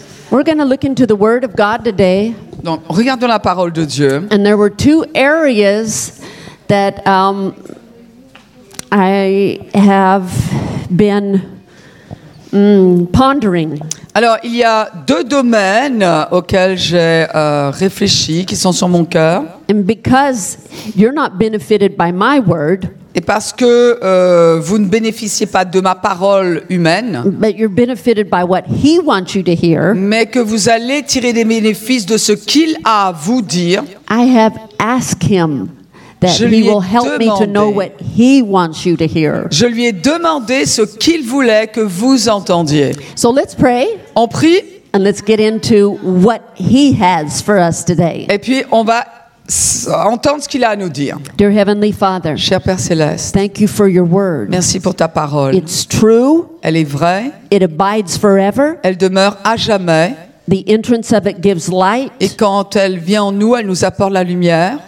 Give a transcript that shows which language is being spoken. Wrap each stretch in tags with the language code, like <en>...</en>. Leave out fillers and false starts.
<en>We're going to look into the Word of God today.</en> <fr>Donc, regardons la parole de Dieu.</fr> <en>And there were two areas that I have been pondering.</en> <fr>Alors, il y a deux domaines auxquels j'ai réfléchi, qui sont sur mon cœur.</fr> <en>And because you're not benefited by my word,</en> <fr>et parce que vous ne bénéficiez pas de ma parole humaine,</fr> <en>but you're benefited by what he wants you to hear,</en> <fr>mais que vous allez tirer des bénéfices de ce qu'il a à vous dire,</fr> <en>I have asked him that he will help me to know what he wants you to hear.</en> <fr>Je lui ai demandé ce qu'il voulait que vous entendiez.</fr> <en>So let's pray.</en> <fr>On prie.</fr> <en>And let's get into what he has for us today.</en> <fr>Et puis on va entendre ce qu'il a à nous dire.</fr> <en>Dear Heavenly Father,</en> <fr>cher Père Céleste,</fr> <en>thank you for your word.</en> <fr>Merci pour ta parole.</fr> <en>It's true.</en> <fr>Elle est vraie.</fr> <en>It abides forever.</en> <fr>Elle demeure à jamais.</fr> <en>The entrance of it gives light.</en> <fr>Et quand elle vient en nous, elle nous apporte la lumière.</fr>